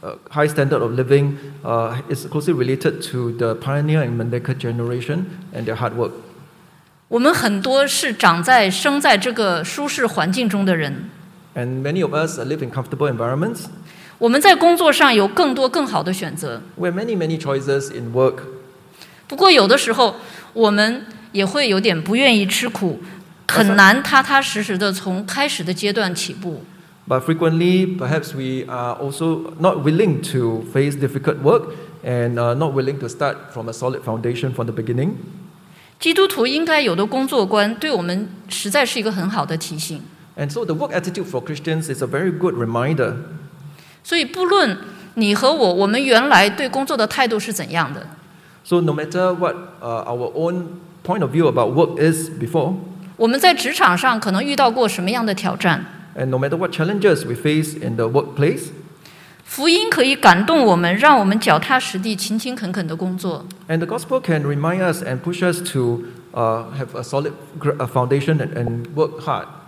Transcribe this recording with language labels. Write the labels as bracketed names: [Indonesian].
[English] High standard of living is closely related to the pioneer and mendicant generation and their hard work. [Chinese] 我们很多是长在生在这个舒适环境中的人。 [English] And many of us live in comfortable environments. [Chinese] 我们在工作上有更多更好的选择。 [English] We have many many choices in work. [Chinese] 不过有的时候我们也会有点不愿意吃苦，很难踏踏实实的从开始的阶段起步。 [English] But frequently, perhaps we are also not willing to face difficult work and not willing to start from a solid foundation from the beginning. [Chinese] 基督徒应该有的工作观对我们实在是一个很好的提醒。 [English] And so the work attitude for Christians is a very good reminder. [Chinese] 所以不论你和我，我们原来对工作的态度是怎样的。 [English] So no matter what our own point of view about work is before, [Chinese] 我们在职场上可能遇到过什么样的挑战。 [English] And no matter what challenges we face in the workplace, [Chinese] 福音可以感动我们，让我们脚踏实地，勤勤恳恳的工作。 [English] And the gospel can remind us and push us to have a solid foundation and work hard.